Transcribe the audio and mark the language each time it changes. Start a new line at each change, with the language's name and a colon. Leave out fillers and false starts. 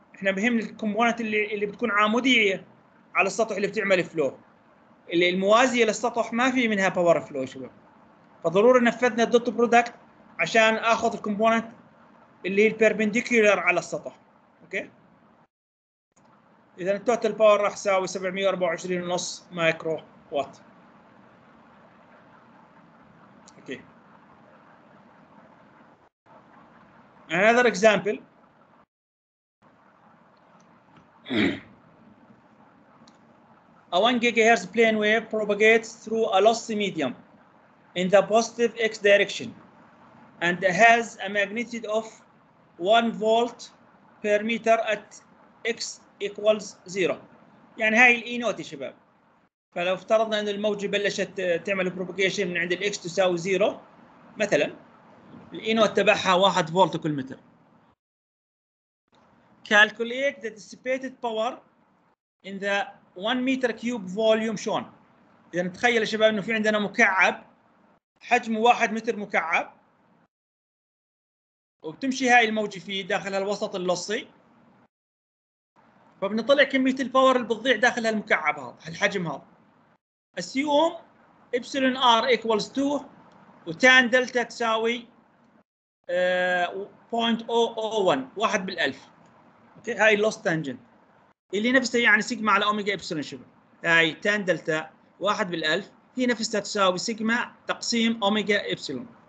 Arabic: احنا بهم الكومبوننت اللي بتكون عموديه على السطح اللي بتعمل فلو، اللي الموازيه للسطح ما في منها باور فلو يا شباب، فضروري نفذنا دوت برودكت عشان اخذ الكومبوننت اللي هي البيربنديكولار على السطح اوكي. اذا التوتال باور راح يساوي 724.5 مايكرو وات اوكي.
English: another example a 1 gigahertz plane wave propagates through a lossy medium in the positive x direction and has a magnitude of 1 volt per meter at x equals 0.
Arabic: يعني هاي الاي نوت يا شباب، فلو افترضنا ان الموجه بلشت تعمل بروبوكيشن من عند الاكس تساوي 0 مثلا، الاي نوت تبعها 1 فولت كل متر.
English: calculate the dissipated power in the 1 meter cube volume shown.
Arabic: يعني تخيل يا شباب انه في عندنا مكعب حجمه 1 متر مكعب وبتمشي هاي الموجة فيه داخل هالوسط اللصي، فبنطلع كمية الباور اللي بتضيع داخل هالمكعب هذا هالحجم هذا.
English: assume epsilon r equals 2 وtan delta
Arabic: تساوي 0.001 واحد بالألف اوكي. هاي
English: loss tangent
Arabic: اللي نفسها يعني سيجما على أوميجا epsilon شبه، هاي tan delta واحد بالألف هي نفسها تساوي سيجما تقسيم أوميجا epsilon.